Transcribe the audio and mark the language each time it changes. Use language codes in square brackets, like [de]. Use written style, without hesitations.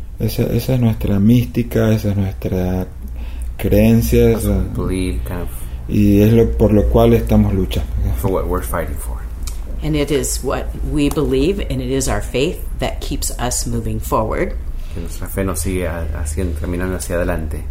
[es] Esa es nuestra mística, esa es nuestra creencia. [en] Also, we believe kind of. [es] Y es lo por lo cual estamos luchando. [en] For what we're fighting for. And it is what we believe, and it is our faith that keeps us moving forward. [es] Que nuestra fe nos sigue haciendo, caminando hacia adelante.